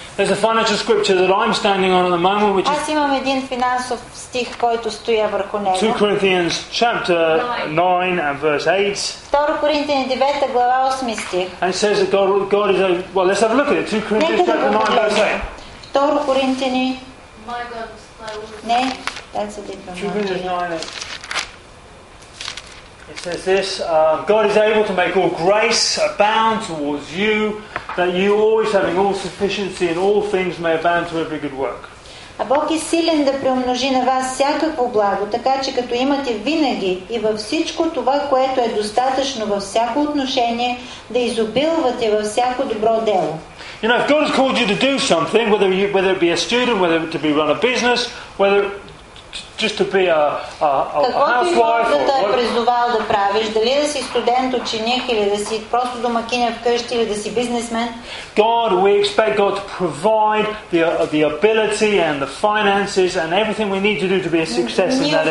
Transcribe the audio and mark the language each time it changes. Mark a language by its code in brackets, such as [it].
[en] There's a financial scripture that I'm standing on at the moment, which [bg] аз имам един финансов стих, който стоя върху него. [en] 2 Corinthians chapter 9 and verse 8. [bg] 2 Коринтияни 9 глава 8 стих. [en] And it says that God is a, well, let's have a look at it. 2 Corinthians chapter 9 verse 8. [bg] 2 Коринтияни. [en] My God will supply all of my needs. Не, that's a different one. 2 Corinthians 9 8. It says this, God is able to make all grace abound towards you, that you always having all sufficiency in all things may abound to every good work. [bg] А Бог е силен да приумножи на вас всякакво благо, така че като имате винаги и във всичко това, което е достатъчно във всяко отношение, да изобилвате във всяко добро дело. [en] You know, if God has called you to do something, whether it be a student, whether it be to run a business, whether just to be a housewife or what? [bg] Призовал да правиш, дали да си студент, ученик или да си просто домакиня вкъщи или да си бизнесмен? [en] God, we expect God to provide the ability and the finances and everything we need to do to be a success in that area.